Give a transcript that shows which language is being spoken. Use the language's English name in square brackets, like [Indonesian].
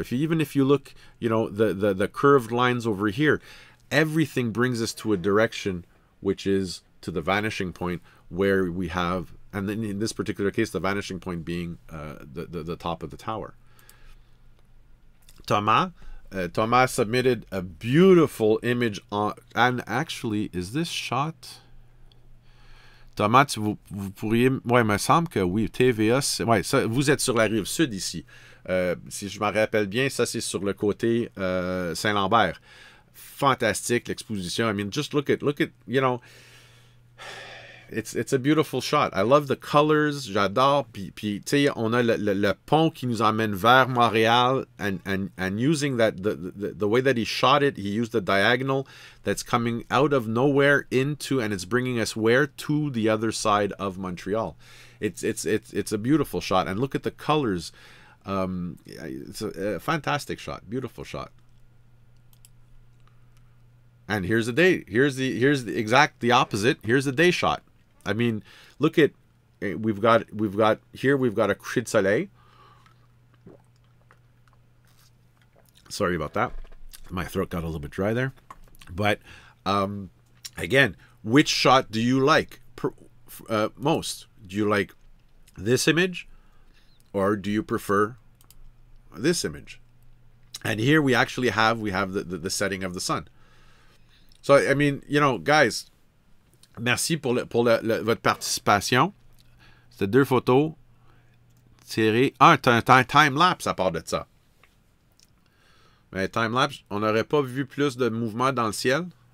[English] If you look, the curved lines over here, everything brings us to a direction, which is to the vanishing point where we have, and then in this particular case, the vanishing point being the top of the tower. Thomas submitted a beautiful image on, and actually, is this shot? [French] Thomas, vous pourriez... Oui, il me semble que oui, TVA... Oui, ça, vous êtes sur la rive sud ici. Si je m'en rappelle bien, ça, c'est sur le côté Saint-Lambert. Fantastique, l'exposition. [English] I mean, just look at, you know... It's a beautiful shot. I love the colors. [French] J'adore. Puis tu sais, on a le pont qui nous emmène vers Montréal. [English] And using that, the way that he shot it, he used the diagonal that's coming out of nowhere into, and it's bringing us where? To the other side of Montreal. It's a beautiful shot. And look at the colors. It's a fantastic shot. Beautiful shot. And here's the day. Here's the opposite. Here's the day shot. I mean, look at, we've got a [French] cri de soleil. [English] Sorry about that. My throat got a little bit dry there. But again, which shot do you like most? Do you like this image or do you prefer this image? And here we have the setting of the sun. So, I mean, guys, [French] merci pour votre participation. C'était deux photos tirées. Ah, t'as un time-lapse à part de ça. Mais time-lapse, on n'aurait pas vu plus de mouvement dans le ciel?